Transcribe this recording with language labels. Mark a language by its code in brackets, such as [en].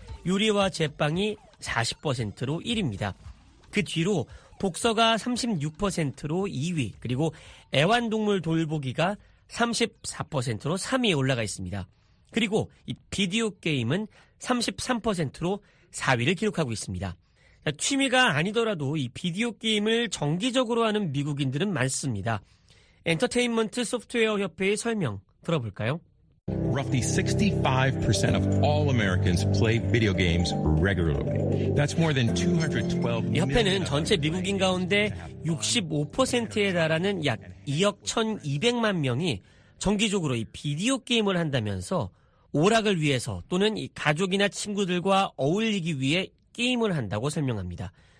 [ko] 요리와 제빵이 40%로 1위입니다. 그 뒤로 독서가 36%로 2위, 그리고 애완동물 돌보기가 34%로 3위에 올라가 있습니다. 그리고 이 비디오 게임은 33%로 4위를 기록하고 있습니다. 취미가 아니더라도 이 비디오 게임을 정기적으로 하는 미국인들은 많습니다. 엔터테인먼트 소프트웨어 협회의 설명 들어볼까요? [en] Roughly 65% of all Americans play video games regularly. That's more than 212. [ko] 협회는 전체 미국인 가운데 65%에 달하는 약 2억 1,200만 명이 정기적으로 이 비디오 게임을 한다면서 오락을 위해서 또는 이 가족이나 친구들과 어울리기 위해 게임을 한다고 설명합니다.